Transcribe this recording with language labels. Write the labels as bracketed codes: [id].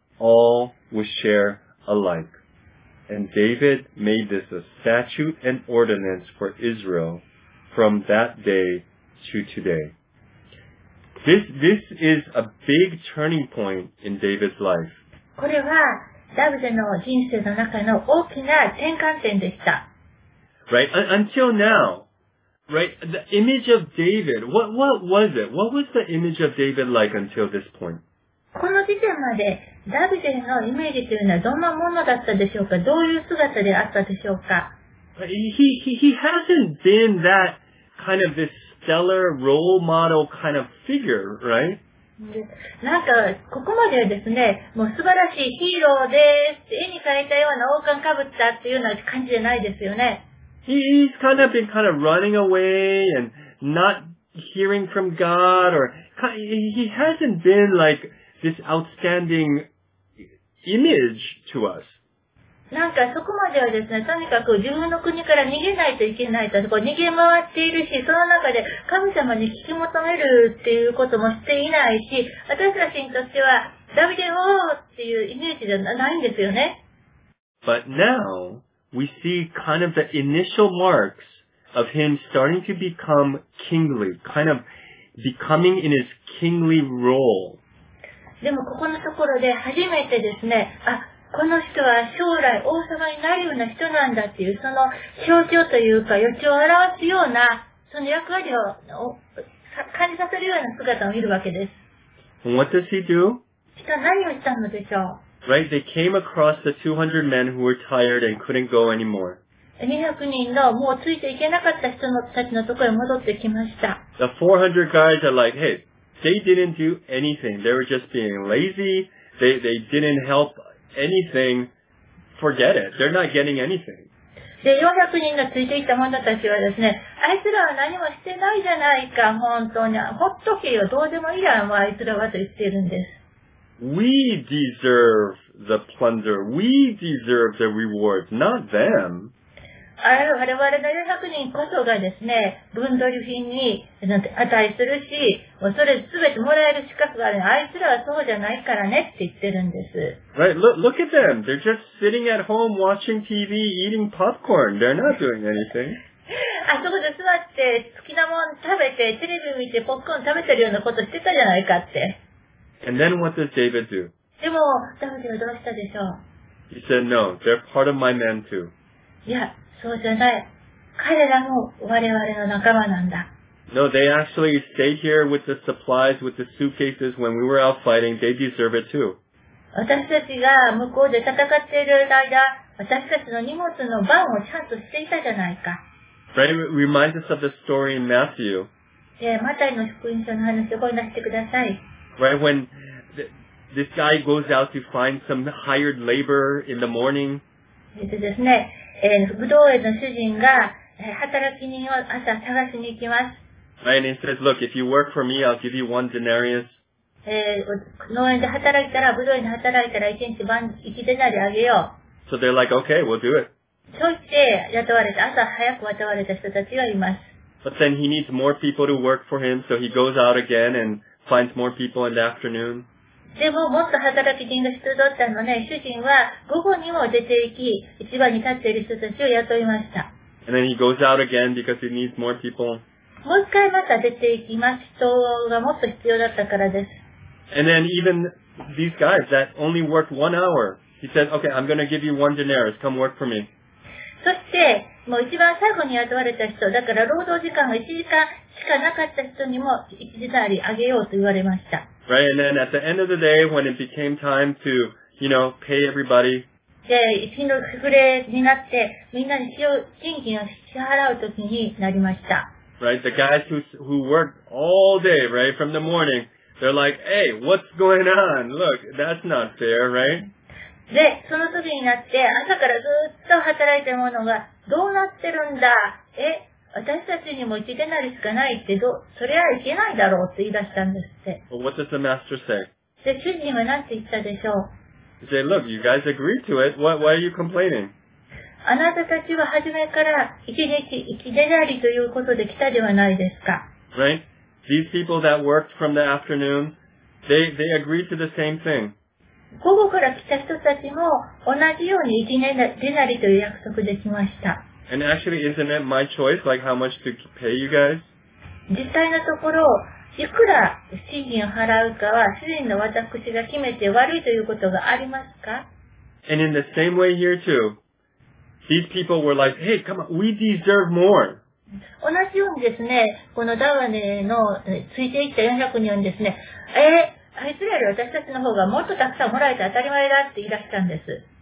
[en] All will share alike. And David made this a statute and ordinance for Israel from that day to today. This is a big turning point in David's life. [ja] これはダビデの人生の中の大きな転換点でした。 [en] Right, until now, right, the image of David, what was it? What was the image of David like until this point? [ja] この時点までダビデのイメージというのはどんなものだったでしょうか？どういう姿であったでしょうか？ [en] He hasn't been that kind of this. Stellar role model kind of figure, right? [ja] なんかここまではですね、もう素晴らしいヒーローです。絵に描いたような王冠かぶったっていうような感じじゃないですよね。 [en] He's kind of been kind of running away and not hearing from God, or he hasn't been like this outstanding image to us. [ja] なんかそこまではですね、とにかく自分の国から逃げないといけないと、逃げ回っているし、その中で神様に聞き求めるっていうこともしていないし、私たちにとってはダビデ王っていうイメージじゃないんですよね。 [en] But now, we see kind of the initial marks of him starting to become kingly, kind of becoming in his kingly role. [ja] でもここのところで初めてですね、あこの人は将来王様になるような人なんだっていう、その象徴というか予兆を表すような、その役割を感じさせるような姿を見るわけです。 [en] What does he do? [ja] 人は何をしたのでしょう [en] ?Right, they came across the 200 men who were tired and couldn't go anymore. [ja] 200人のもうついていけなかった人のたちのところに戻ってきました。 [en] The 400 guys are like, hey, they didn't do anything. They were just being lazy. They didn't help anything. Forget it. They're not getting anything. [ja] で、400人がついていった者たちはですね、あいつらは何もしてないじゃないか、本当に。ほっとけよ、どうでもいいや、もうあいつらはと言っているんです。 [en] We deserve the plunder. We deserve the reward, not them. [ja] 我々の400人こそがですね、分取り品に値するし、もうそれ全てもらえる資格があるの。あいつらはそうじゃないからねって言ってるんです。 [en] Right, look at them. They're just sitting at home watching TV, eating popcorn. They're not doing anything. [ja] あそこで座って好きなもん食べて、テレビ見てポップコーン食べてるようなことしてたじゃないかって。 [en] And then what does David do? [ja] でも、ダビデはどうしたでしょう [en] ?He said no, they're part of my men too. [ja] いや、そうじゃない。彼らも我々の仲間なんだ。 [en] No, they actually stayed here with the supplies, with the suitcases when we were out fighting. They deserve it too. [ja] 私たちが向こうで戦っている間、私たちの荷物の番をちゃんとしていたじゃないか。 [en] Right, it reminds us of the story in Matthew. [ja] で、マタイの福音書の話を思い出してください。 [en] Right, when this guy goes out to find some hired labor in the morning. [ja] でですね、ブドウ園の主人が、働き人を朝探しに行きます。 [en] Right, and he says, look, if you work for me, I'll give you one denarius. [ja] 農園で働いたら、ブドウ園で働いたら、一日晩、一デナリあげよう。 [en] So they're like, okay, we'll do it. [ja] そして、雇われて、朝早く雇われた人たちがいます。 [en] But then he needs more people to work for him, so he goes out again and finds more people in the afternoon. [ja] でも、もっと働き人が人だったのね、主人は午後にも出て行き、市場に立っている人たちを雇いました。 [en] And then he goes out again because he needs more people. [ja] もう一回また出て行きます。人がもっと必要だったからです。 [en] And then even these guys that only worked 1 hour, he said, okay, I'm going to give you 1 denarius, come work for me. [ja] そして、もう一番最後に雇われた人、だから労働時間が1時間しかなかった人にも1デナリあげようと言われました。 [en] Right, and then at the end of the day, when it became time to, you know, pay everybody. [ja] で、日の暮れになって、みんなに賃金を支払うときになりました。 [en] Right, the guys who worked all day, right, from the morning, they're like, hey, what's going on? Look, that's not fair, right? [ja] で、その時になって、朝からずっと働いているものが、どうなってるんだ？私たちにも一デナリしかないって、それはいけないだろうって言い出したんですって。 [en] Well, what does the master say? [ja] で、主人は何て言ったでしょう [en] ?He said, look, you guys agreed to it. Why are you complaining? [ja] あなたたちは初めから一デナリということで来たではないですか。 [en] Right? These people that worked from the afternoon, they agreed to the same thing. [ja] 午後から来た人たちも同じように一デナリという約束できました。 [en] And actually, isn't it my choice, like how much to pay you guys? [ja] 実際のところ、いくら賃金を払うかは主人の私が決めて悪いということがありますか? [en] And in the same way here too, these people were like, hey, come on, we deserve more. [ja] 同じようにですね、このダワネのついていった400人はですね、あいつらより私たちの方がもっとたくさんもらえて当たり前だって言い出したんです。